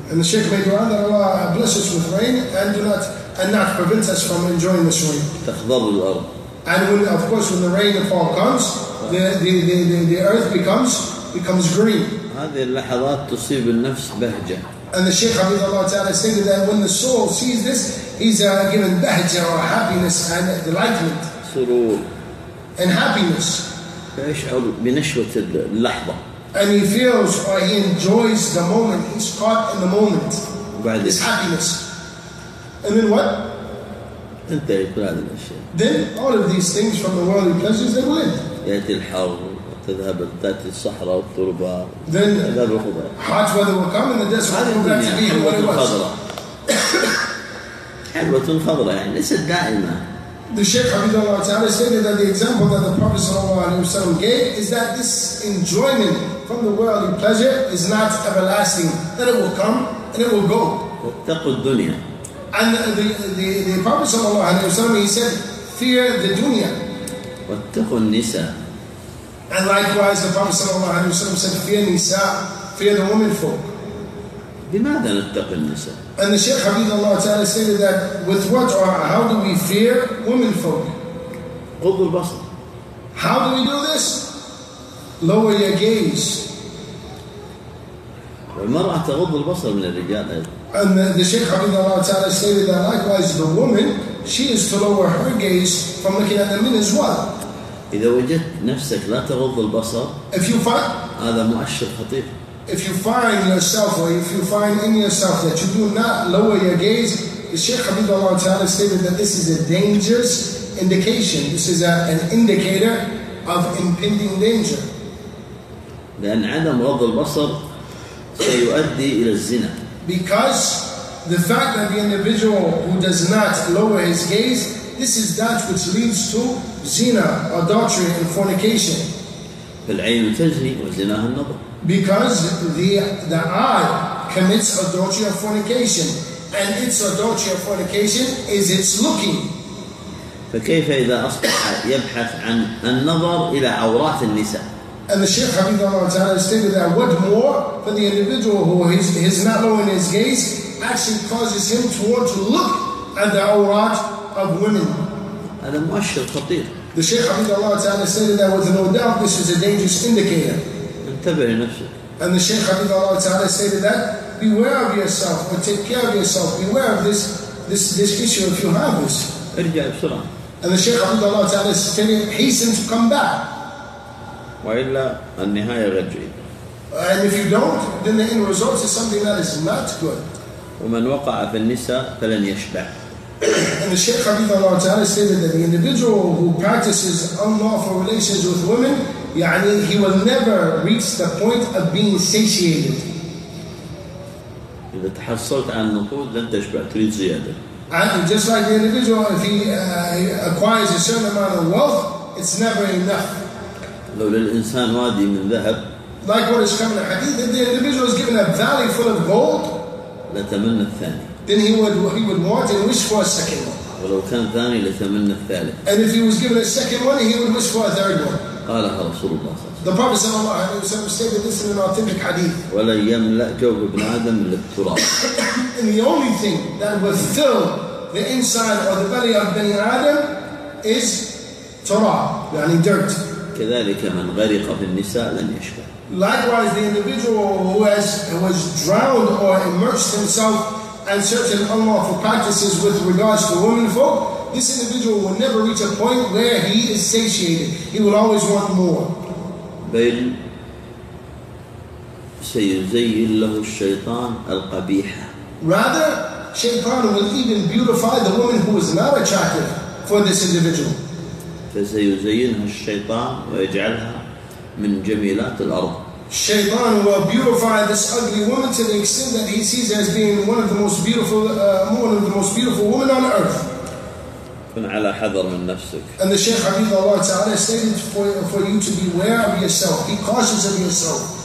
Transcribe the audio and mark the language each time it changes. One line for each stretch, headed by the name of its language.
English: And the Shaykh made dua that Allah bless us with rain and not prevent us from enjoying this rain. And when, of course, when the rain and fall comes, the earth becomes green.
Arabic: هذه اللحظات تصيب النفس بهجة.
English: And the Shaykh Habib Allah Ta'ala said that when the soul sees this, he's given bahja or happiness and delightment.
Arabic: سرور.
English: And happiness.
Arabic: فيشعر بنشوة اللحظة.
English: And he feels or he enjoys the moment. He's caught in the moment. This happiness. And then what?
Arabic: تنتهي كل هذه الأشياء.
English: Then all of these things from the worldly pleasures, they will end.
Arabic: يأتي الحر. تذهب تأتي الصحراء والتربة
English: then hot weather will come and the desert will come back to be what it was.
Arabic: حلوة خضرة يعني ليست دائمة.
English: The Shaykh Abdullah Ta'ala stated that the example that the Prophet Sallallahu Alaihi Wasallam gave is that this enjoyment from the worldly pleasure is not everlasting, that it will come and it will go.
Arabic: واتقوا الدنيا.
English: And the Prophet Sallallahu Alaihi Wasallam, he said, fear the dunya.
Arabic: واتقوا النساء.
English: And likewise, the Prophet Sallallahu Alaihi Wasallam said, fear nisa, fear the women folk.
Arabic: لماذا نتقي النساء؟
English: And the Shaykh Habibullah Ta'ala stated that with what or how do we fear women folk?
Arabic: غض البصر.
English: How do we do this? Lower your gaze.
Arabic: والمرأة تغض البصر من الرجال.
English: And the Shaykh Habibullah Ta'ala stated that likewise, the woman, she is to lower her gaze from looking at the men as well.
Arabic: إذا وجدت نفسك لا تغض البصر هذا مؤشر خطير.
English: If you find yourself or if you find in yourself that you do not lower your gaze, the Shaykh Habibullah Ta'ala stated that this is a dangerous indication. This is an indicator of impending danger.
Arabic: لأن عدم غض البصر سيؤدي إلى الزنا.
English: Because the fact that the individual who does not lower his gaze, this is that which leads to zina, adultery, and fornication.
Arabic: العين تزني وزناها النظر.
English: Because the eye commits adultery or fornication, and its adultery or fornication is its looking.
Arabic: فكيف إذا أصبح يبحث عن النظر إلى عورات النساء؟
English: And the Shaykh Habib Allah Ta'ala stated that what more for the individual who is not lowering his gaze actually causes him toward to look at the awrat of women.
Arabic: هذا مؤشر خطير.
English: The Shaykh Habib Allah Ta'ala stated that with no doubt this is a dangerous indicator.
Arabic: انتبه لنفسك.
English: And the Shaykh Habib Allah Ta'ala stated that beware of yourself, but take care of yourself. Beware of this issue if you have this.
Arabic: ارجع بسرعة.
English: And the Shaykh Habib Allah Ta'ala stated hasten to come back.
Arabic: وإلا النهاية غير جيدة.
English: And if you don't, then the end result is something that is not good.
Arabic: ومن وقع في النساء فلن يشبع.
English: And the Shaykh Habib Allah Ta'ala stated that the individual who practices unlawful relations with women,
Arabic: يعني
English: he will never reach the point of being satiated.
Arabic: إذا تحصلت على النقود لن تشبع تريد زيادة.
English: And just like the individual, if he acquires a certain amount of wealth, it's never enough.
Arabic: لو للإنسان وادي من ذهب.
English: Like what is coming in hadith, if the individual is given a valley full of gold,
Arabic: لتمنى الثاني.
English: Then he would want and wish for a second one.
Arabic: ولو كان ثاني لتمنى الثالث.
English: And if he was given a second one, he would wish for a third one.
Arabic: قالها رسول الله.
English: The Prophet
Arabic: صلى الله عليه وسلم
English: stated this in an authentic hadith.
Arabic: ولا يملأ جوف ابن آدم من التراب.
English: And the only thing that will fill the inside or the belly of Bani Adam is تراب,
Arabic: يعني
English: dirt.
Arabic: كذلك من غرق في النساء لن يشبع.
English: Likewise, the individual who has drowned or immersed himself in certain unlawful practices with regards to women folk, this individual will never reach a point where he is satiated. He will always want more.
Arabic: بل سيزين له الشيطان القبيحة.
English: Rather, Shaytan will even beautify the woman who is not attractive for this individual.
Arabic: فسيزينها الشيطان ويجعلها من جميلات الأرض.
English: Shaytan will beautify this ugly woman to the extent that he sees her as being one of the most beautiful women on earth.
Arabic: كن على حذر من نفسك.
English: And the Shaykh Habib Allah Ta'ala stated for you to beware of yourself, be cautious of yourself.